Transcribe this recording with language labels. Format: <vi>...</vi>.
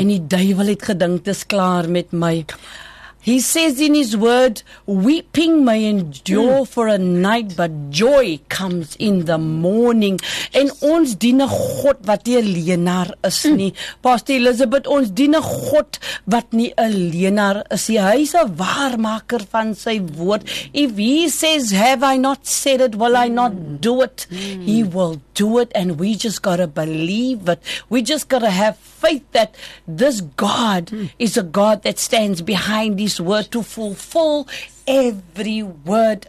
<af>En die duivel het gedink, dis klaar met my.</af> <en>He says in his word, weeping may endure for a night, but joy comes in the morning.</en> <af>En ons dien 'n God wat nie 'n leenaar is nie. Pastor Elizabeth, ons dien 'n God wat nie 'n leenaar is nie. Hy is 'n waarmaker van sy woord.</af> <en>If he says, have I not said it, will I not do it? He will do it, and we just gotta believe it. We just gotta have faith that this God is a God that stands behind his word to fulfill every word.</en>